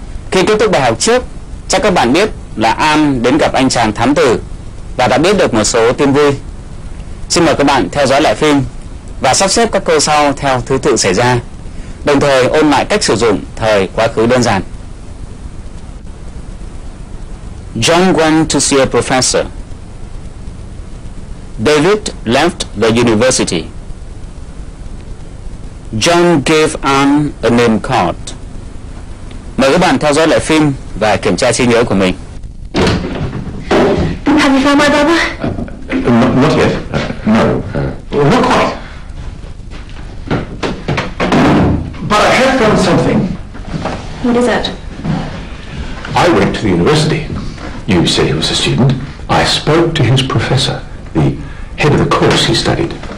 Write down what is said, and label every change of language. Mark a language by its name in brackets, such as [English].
[Vietnamese] Khi kết thúc bài học trước, chắc các bạn biết là An đến gặp anh chàng thám tử và đã biết được một số tin vui. Xin mời các bạn theo dõi lại phim và sắp xếp các câu sau theo thứ tự xảy ra, đồng thời ôn lại cách sử dụng thời quá khứ đơn giản. [English] John went to see a professor. David left the university. John gave Anne a name card. [Vietnamese] Mời các bạn theo dõi lại phim và kiểm tra trí nhớ của mình. [English] Have you found my brother? Not yet. No. Not quite. But I have found something. What is that? I went to the university. You said he was a student. I spoke to his professor, the head of the course he studied.